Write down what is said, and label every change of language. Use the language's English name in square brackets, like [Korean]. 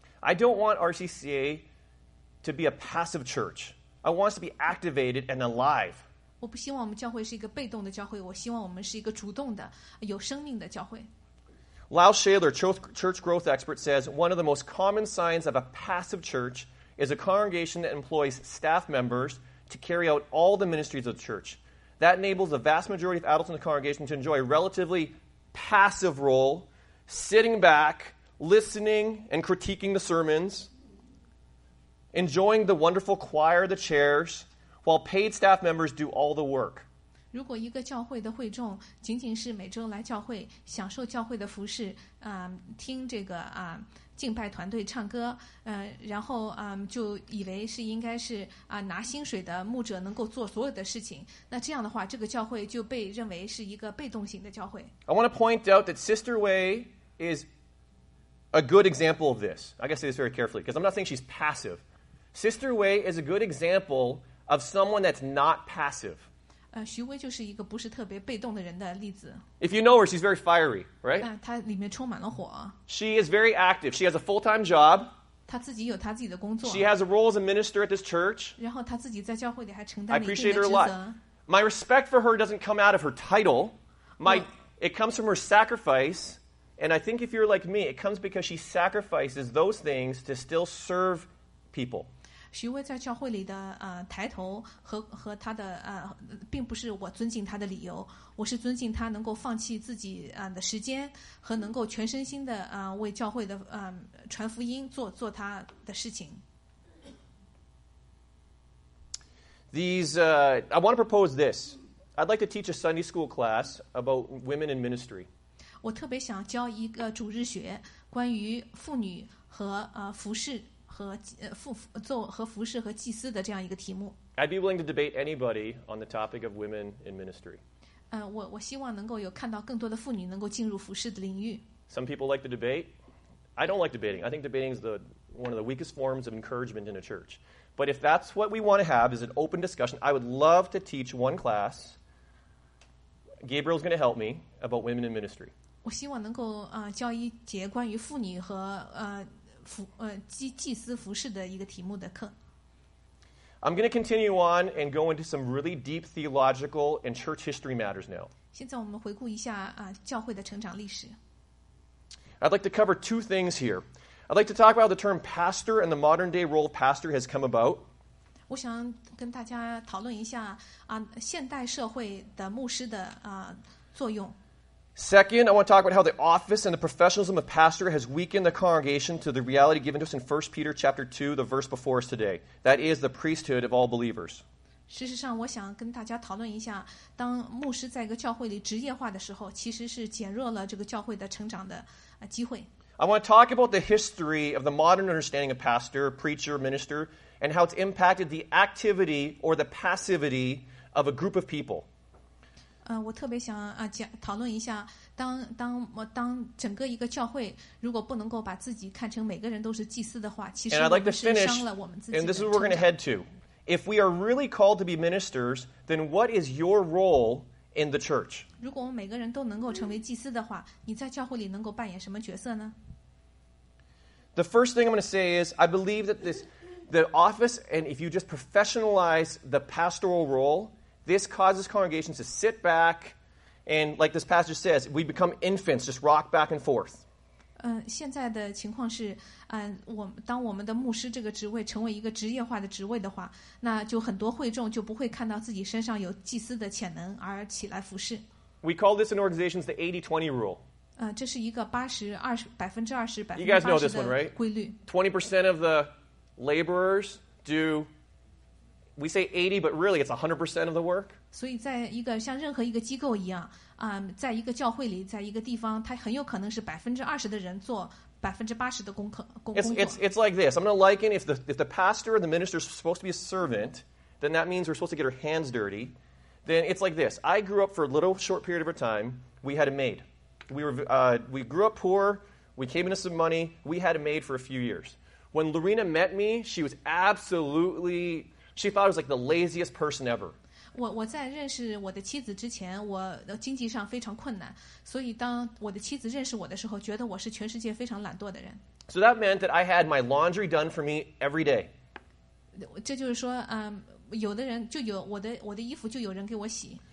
[English] I don't want RCCA to be a passive church. I want us to be activated and alive. [Chinese] 我不希望我们教会是一个被动的教会，我希望我们是一个主动的有生命的教会。 [English] Lau Shaler, church growth expert, says one of the most common signs of a passive churchis a congregation that employs staff members to carry out all the ministries of the church. That enables the vast majority of adults in the congregation to enjoy a relatively passive role, sitting back, listening and critiquing the sermons, enjoying the wonderful choir, the chairs, while paid staff members do all the work. [Chinese] 如果一个教会的会众仅仅是每周来教会享受教会的服事，听这个敬拜团队唱歌，然后就以为是应该是拿薪水的牧者能够做所有的事情，那这样的话这个教会就被认为是一个被动型的教会。 [English] I want to point out that Sister Wei is a good example of this. I gotta say this very carefully because I'm not saying she's passive. Sister Wei is a good example of someone that's not passive. [Chinese] 徐薇就是一个不是特别被动的人的例子。 [English] If you know her, she's very fiery, right? [Chinese] 她里面充满了火。 [English] She is very active. She has a full-time job. [Chinese] 她自己有她自己的工作。 [English] She has a role as a minister at this church. [Chinese] 然后她自己在教会里还承担了一定的职责。 [English] I appreciate her a lot. My respect for her doesn't come out of her title. It comes from her sacrifice. And I think if you're like me, it comes because she sacrifices those things to still serve people. [Chinese] 徐薇在教会里的抬头和她的并不是我尊敬她的理由，我是尊敬她能够放弃自己的时间和能够全身心的为教会的传福音做她的事情。 [English] I want to propose this. I'd like to teach a Sunday school class about women in ministry. [Chinese] 我特别想教一个主日学，关于妇女和服事。和服事和祭司的这样一个题目。 [English] I'd be willing to debate anybody on the topic of women in ministry. [Chinese] 我希望能够有看到更多的妇女能够进入服事的领域。 [English] Some people like to debate. I don't like debating. I think debating is one of the weakest forms of encouragement in a church. But if that's what we want to have is an open discussion, I would love to teach one class. Gabriel's going to help me about women in ministry. [Chinese] 我希望能够教一节关于妇女和祭司服事的一个题目的课。 [English] I'm going to continue on and go into some really deep theological and church history matters now. [Chinese] 现在我们回顾一下教会的成长历史。 [English] I'd like to cover two things here. I'd like to talk about how the term pastor and the modern day role of pastor has come about. [Chinese] 我想跟大家讨论一下现代社会的牧师的作用。 [English] Second, I want to talk about how the office and the professionalism of pastor has weakened the congregation to the reality given to us in 1 Peter chapter 2, the verse before us today. That is the priesthood of all believers. [Chinese] 事实上，我想跟大家讨论一下，当牧师在一个教会里职业化的时候，其实是减弱了这个教会的成长的机会。 [English] I want to talk about the history of the modern understanding of pastor, preacher, minister, and how it's impacted the activity or the passivity of a group of people. [Chinese] 我特别想讨论一下，当整个一个教会如果不能够把自己看成每个人都是祭司的话，其实我们是伤了我们自己的成长。 [English] And this is where we're going to head to. If we are really called to be ministers, then what is your role in the church? [Chinese] 如果我们每个人都能够成为祭司的话，你在教会里能够扮演什么角色呢？ [English] The first thing I'm going to say is I believe that the office and if you just professionalize the pastoral role,This causes congregations to sit back, and like this pastor says, we become infants, just rock back and forth. [Chinese] 现在的情况是，当我们的牧师这个职位成为一个职业化的职位的话，那就很多会众就不会看到自己身上有祭司的潜能而起来服事。 [English] We call this in organizations the 80-20 rule. [Chinese] 这是一个80/20 的规律。 [English] You guys know this one, right? 20% of the laborers do. We say 80, but really it's 100% of the work. [Chinese] 所以在一个像任何一个机构一样，在一个教会里，在一个地方，它很有可能是20%的人做80%的工作。 [English] It's like this. I'm going to liken if the pastor or the minister is supposed to be a servant, then that means we're supposed to get our hands dirty. Then it's like this. I grew up for a little short period of our time. We had a maid. We grew up poor. We came into some money. We had a maid for a few years. When Lorena met me, she was absolutely... She thought I was like the laziest person ever. [Chinese] 我在认识我的妻子之前，我经济上非常困难，所以当我的妻子认识我的时候，觉得我是全世界非常懒惰的人。 [English] So that meant that I had my laundry done for me every day. [Chinese] 这就是说，有的人就有我的衣服就有人给我洗。